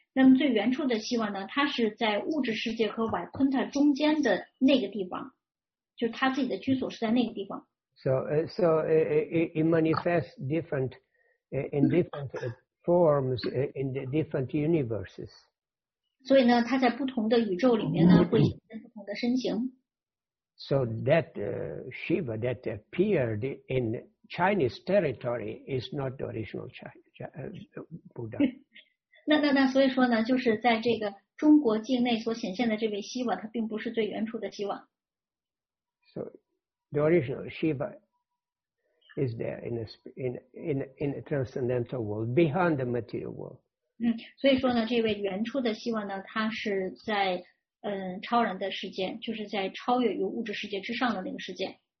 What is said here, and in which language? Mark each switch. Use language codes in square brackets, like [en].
[zh] 那么最原初的希瓦呢，它是在物质世界和瓦昆塔中间的那个地方，就是它自己的居所是在那个地方。 [en] So it manifests different in different forms in the different universes. [zh] 所以呢，它在不同的宇宙里面呢，会显现不同的身形。 [en] So that Shiva that appeared in Chinese territory is not the original Buddha. [zh] 那所以说呢，就是在这个中国境内所显现的这位希瓦，它并不是最原初的希瓦。 [en] So the original Shiva is there in a transcendental world behind the material world. [zh] 所以说呢，这位原初的希瓦呢，它是在超然的世界，就是在超越于物质世界之上的那个世界。